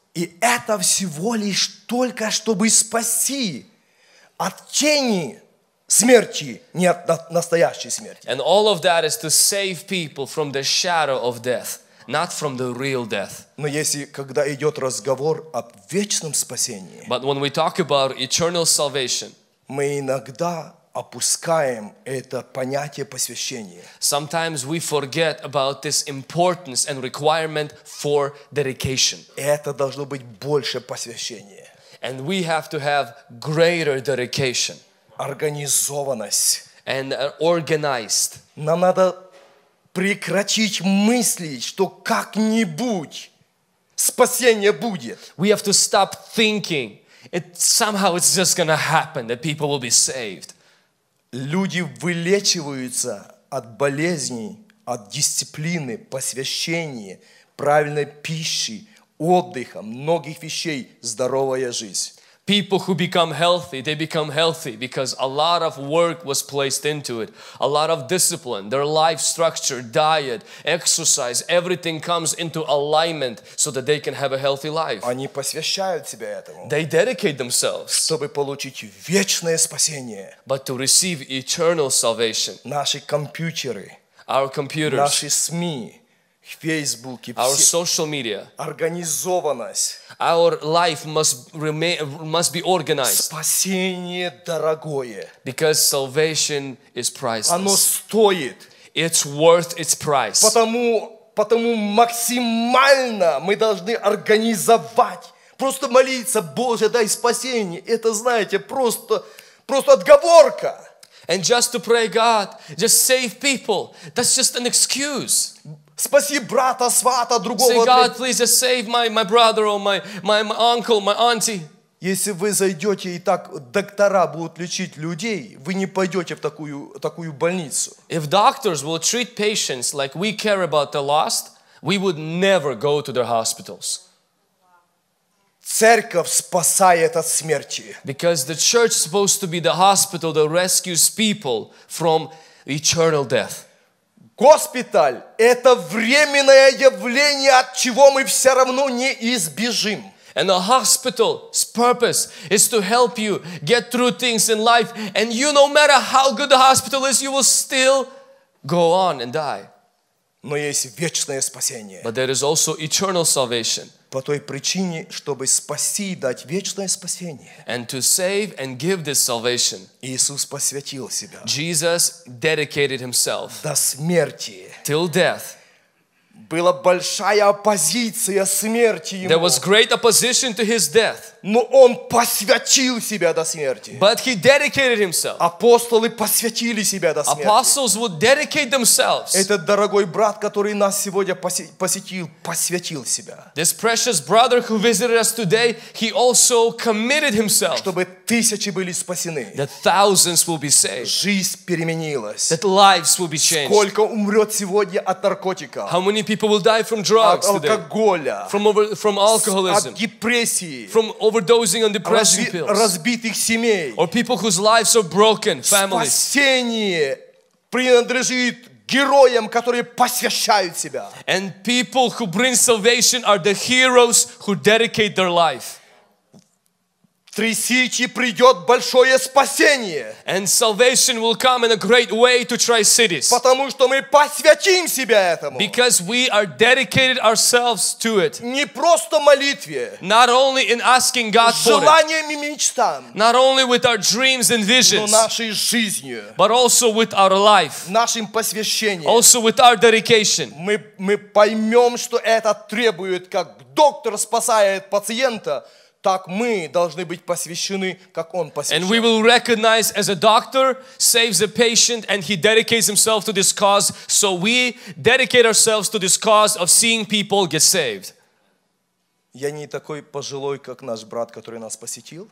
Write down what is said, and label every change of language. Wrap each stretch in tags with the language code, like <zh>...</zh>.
<ru>И это всего лишь только, чтобы спасти от тени смерти, не от настоящей смерти.</ru> <en>And all of that is to save people from the shadow of death, not from the real death.</en> <ru>Но если, когда идет разговор об вечном спасении,</ru> <en>but when we talk about eternal salvation,</en> <ru>мы иногда опускаем это понятие посвящения.</ru> <en>Sometimes we forget about this importance and requirement for dedication.</en> <ru>Это должно быть больше посвящения.</ru> <en>And we have to have greater dedication.</en> <ru>Организованность.</ru> <en>And organized.</en> <ru>Нам надо прекратить мыслить, что как-нибудь спасение будет.</ru> <en>We have to stop thinking it somehow it's just gonna happen that people will be saved.</en> <ru>Люди вылечиваются от болезней, от дисциплины, посвящения, правильной пищи, отдыха, многих вещей, здоровая жизнь.</ru> <en>People who become healthy because a lot of work was placed into it, a lot of discipline, their life structure, diet, exercise, everything comes into alignment so that they can have a healthy life.</en> <ru>Они посвящают себя этому.</ru> <en>They dedicate themselves.</en> <ru>Чтобы получить вечное спасение.</ru> <en>But to receive eternal salvation.</en> <ru>Наши компьютеры.</ru> <en>Our computers.</en> <ru>Наши СМИ. Facebook,</ru> <en>our social media.</en> <ru>Организованность.</ru> <en>Our life must be organized.</en> <ru>Спасение дорогое.</ru> <en>Because salvation is priceless.</en> <ru>Оно стоит.</ru> <en>It's worth its price.</en> <ru>Потому максимально мы должны организовать. Просто молиться, Боже, дай спасение. Это, знаете, просто отговорка.</ru> <en>And just to pray God, just save people. That's just an excuse.</en> <ru>Спаси брата, свата, другого.</ru> <en>Say, God, please just save my brother or my uncle, my auntie.</en> <ru>Если вы зайдете и так доктора будут лечить людей, вы не пойдете в такую больницу.</ru> <en>If doctors will treat patients like we care about the lost, we would never go to their hospitals.</en> <ru>Церковь спасает от смерти.</ru> <en>Because the church is supposed to be the hospital that rescues people from eternal death.</en> <ru>Госпиталь – это временное явление, от чего мы все равно не избежим.</ru> <en>And the hospital's purpose is to help you get through things in life. And you, no matter how good the hospital is, you will still go on and die.</en> <ru>Но есть вечное спасение.</ru> <en>But there is also eternal salvation.</en> <ru>По той причине, чтобы спасти и дать вечное спасение.</ru> <en>And to save and give this salvation.</en> <ru>Иисус посвятил себя.</ru> <en>Jesus dedicated himself.</en> <ru>До смерти.</ru> <en>Till death.</en> <ru>Была большая оппозиция смерти ему.</ru> <en>There was great opposition to his death.</en> <ru>Но он посвятил себя до смерти.</ru> <en>But he dedicated himself.</en> <ru>Апостолы посвятили себя до смерти.</ru> <en>Apostles would dedicate themselves.</en> <ru>Этот дорогой брат, который нас сегодня посетил, посвятил себя.</ru> <en>This precious brother who visited us today, he also committed himself.</en> <ru>Чтобы тысячи были спасены.</ru> <en>That thousands will be saved.</en> <ru>Жизнь переменилась.</ru> <en>That lives will be changed.</en> <ru>Сколько умрет сегодня от наркотиков?</ru> <en>How many people will die from drugs today?</en> <ru>От алкоголя.</ru> <en>From alcoholism.</en> <ru>От депрессии.</ru> <en>From overdosing on depression pills.</en> <ru>Разбитых семей.</ru> <en>Or people whose lives are broken, families.</en> <ru>Спасение принадлежит героям, которые посвящают себя.</ru> <en>And people who bring salvation are the heroes who dedicate their life.</en> <ru>Тресичи придет большое спасение.</ru> <en>And salvation will come in a great way to Tri-Cities.</en> <ru>Потому что мы посвятим себя этому.</ru> <en>Because we are dedicated ourselves to it.</en> <ru>Не просто молитве.</ru> <en>Not only in asking God for it.</en> <ru>Желанием и мечтам.</ru> <en>Not only with our dreams and visions.</en> <ru>Но нашей жизнью.</ru> <en>But also with our life.</en> <ru>Нашим посвящением.</ru> <en>Also with our dedication.</en> <ru>Мы поймем, что это требует, как доктор спасает пациента. Так мы должны быть посвящены, как он посвящен.</ru> <en>And we will recognize as a doctor saves a patient and he dedicates himself to this cause, so we dedicate ourselves to this cause of seeing people get saved.</en> <ru>Я не такой пожилой, как наш брат, который нас посетил.</ru>